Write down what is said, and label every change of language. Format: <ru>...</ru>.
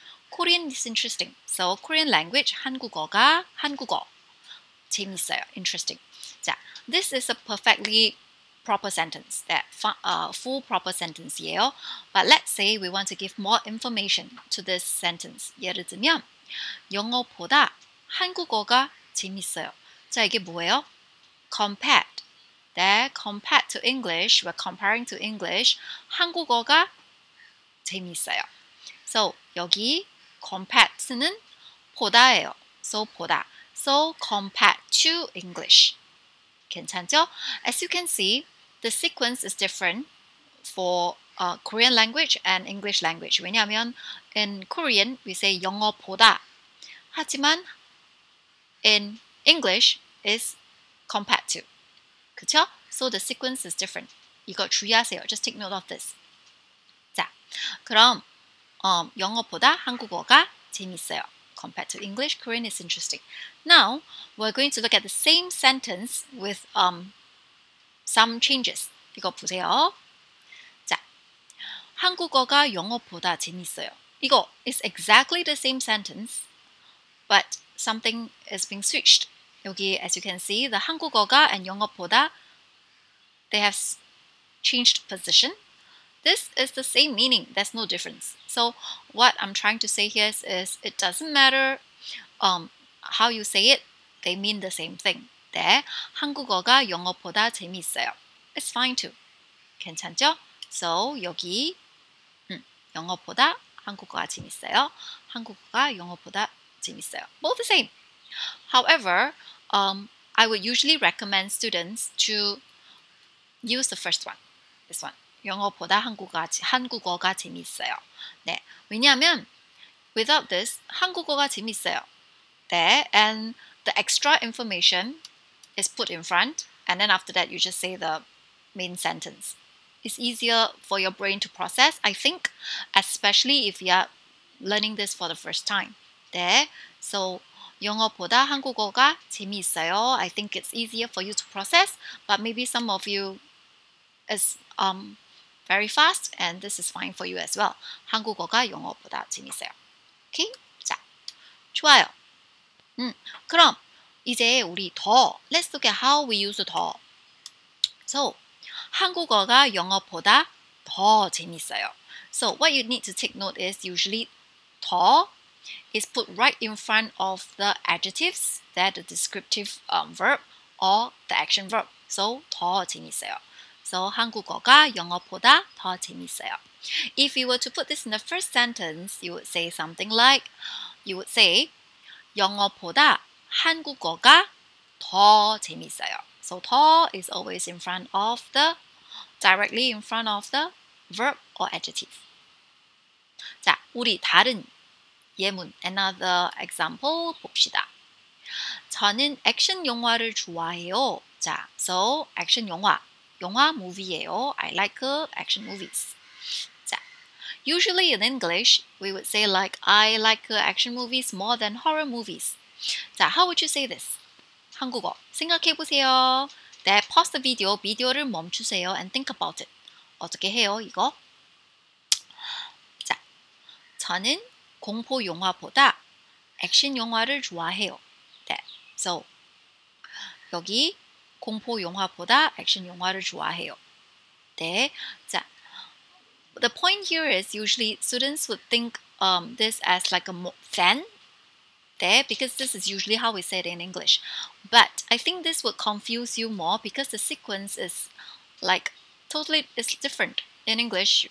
<en>Korean is interesting. So, Korean language,</en> <ko>한국어가 한국어. 재밌어요.</ko> <en>Interesting. 자, this is a perfectly proper sentence. That full proper sentence이에요. But let's say we want to give more information to this sentence.</en> <ko>예를 들면, 영어보다 한국어가 재밌어요. 자, 이게 뭐예요? Compared.</ko> <en>That compared to English, we're comparing to English,</en> <ko>한국어가 재밌어요. So, 여기, compared는 보다예요. So, 보다.</ko> <en>So, compared to English. 괜찮죠? As you can see, the sequence is different for Korean language and English language.</en> <ko>왜냐하면</ko> <en>in Korean, we say 영어보다.</en> <ko>하지만</ko> <en>in English, is compared to.</en> <ko>그쵸?</ko> <en>So, the sequence is different.</en> <ko>이거 주의하세요.</ko> <en>Just take note of this.</en> <ko>자, 그럼 영어보다 한국어가 재밌어요.</ko> <en>Compared to English, Korean is interesting. Now, we're going to look at the same sentence with some changes.</en> <ko>이거 보세요. 자, 한국어가 영어보다 재밌어요.</ko> <en>이거 is exactly the same sentence, but something is being switched. 여기, as you can see, the 한국어가 and 영어보다, they have changed position. This is the same meaning. There's no difference. So what I'm trying to say here is it doesn't matter how you say it. They mean the same thing.</en> <ko>네, 한국어가 영어보다 재미있어요.</ko> <en>It's fine too.</en> <ko>괜찮죠? So 여기 영어보다 한국어가 재미있어요. 한국어가 영어보다 재미있어요.</ko> <en>Both the same. However, I would usually recommend students to use the first one. This one.</en> <ko>영어보다 한국어가 재미있어요. 네, 왜냐하면</ko> <en>without this,</en> <ko>한국어가 재미있어요.</ko> <en>네, and the extra information is put in front and then after that you just say the main sentence. It's easier for your brain to process, I think, especially if you're learning this for the first time.</en> <ko>네, so 영어보다 한국어가 재미있어요.</ko> <en>I think it's easier for you to process, but maybe some of you is very fast, and this is fine for you as well.</en> <ko>한국어가 영어보다 재밌어요.</ko> <en>Okay?</en> <ko>자, 좋아요. 그럼 이제 우리 더,</ko> <en>let's look at how we use 더.</en> <ko>So, 한국어가 영어보다 더 재밌어요.</ko> <en>So, what you need to take note is usually 더 is put right in front of the adjectives, that the descriptive verb or the action verb.</en> <ko>So, 더 재밌어요. So, 한국어가 영어보다 더 재밌어요.</ko> <en>If you were to put this in the first sentence, you would say something like, you would say,</en> <ko>영어보다 한국어가 더 재밌어요.</ko> <en>So, 더 is always in front of the, directly in front of the verb or adjective.</en> <ko>자, 우리 다른 예문,</ko> <en>another example</en> <ko>봅시다. 저는 액션 영화를 좋아해요. 자, so, 액션 영화. 영화 movie예요.</ko> <en>I like action movies. 자, usually in English, we would say like I like action movies more than horror movies. 자, how would you say this?</en> <ko>한국어 생각해보세요.</ko> <en>네, pause the video,</en> <ko>비디오를 멈추세요</ko> <en>and think about it.</en> <ko>어떻게 해요, 이거? 자, 저는 공포 영화보다 액션 영화를 좋아해요. 네, so 여기 공포 영화보다 액션 영화를 좋아해요.</ko> <en>네, 자, the point here is usually students would think this as like a fan, 네, because this is usually how we say it in English. But I think this would confuse you more because the sequence is like totally is different in English.</en>